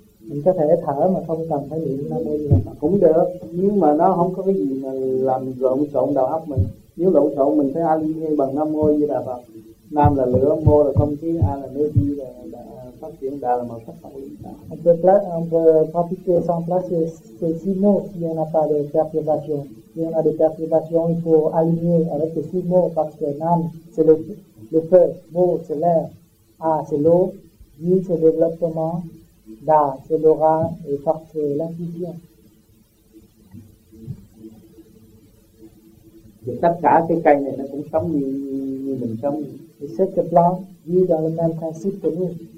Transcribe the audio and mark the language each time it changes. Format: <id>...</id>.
<vi>Mình có thể thở mà không cần phải niệm Nam Mô A Di Đà Phật cũng được, nhưng mà nó không có cái gì mà làm lộn xộn đầu óc mình. Nếu lộn xộn mình phải ai nghe bằng Nam Mô A Di Đà Phật. Nam là lửa, mô là không khí, a là nước, di là phát triển, đà là màu sắc tạo linh cảm.</vi> <fr>On peut placer, on peut pratiquer sans placer ces 6 mots si on n'a pas de perturbation. Si on a des perturbations, il faut aligner avec ces 6 mots parce que Nam c'est le feu, mô c'est l'air, a c'est l'eau, di c'est développement. Là, c'est l'aura et porte l'intuition.</fr> <vi>Et tất cả cái cây này nó cũng sống như mình sống.</vi> <fr>Et cette plante vit dans le même principe que nous.</fr>